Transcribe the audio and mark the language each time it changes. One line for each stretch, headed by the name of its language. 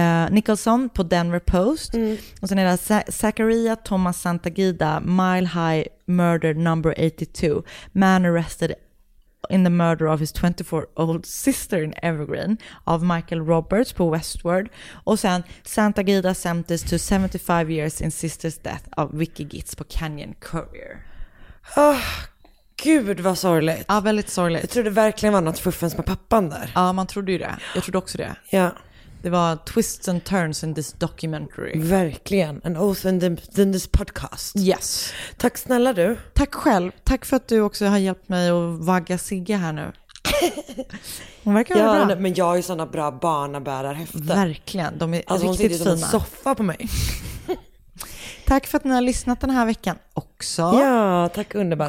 Swedish: Nicholson på Denver Post. Och sen är det Zachariah Thomas Santagida, Mile High Murder Number 82, Man Arrested in the Murder of His 24-Year-Old Sister in Evergreen av Michael Roberts på Westworld. Och sen Santagida Sentenced to 75 Years in Sister's Death av Vicky Gitts på Canyon Courier. Gud vad sorgligt. Ja, väldigt sorgligt. Jag trodde verkligen var något fuffens med pappan där. Ja, man trodde ju det, jag trodde också det. Ja. Det var
English: twists and turns in this documentary. Verkligen. And also in this podcast. Yes.
Swedish: Tack snälla du. Tack själv. Tack för att du också har hjälpt mig att vagga Sigge här nu. Hon verkar vara bra. Men jag har ju sådana bra barnabärarhäften. Verkligen. De är alltså, riktigt fina. Hon sitter som en soffa på mig. Tack för att ni har lyssnat den här veckan också. Ja, tack underbart.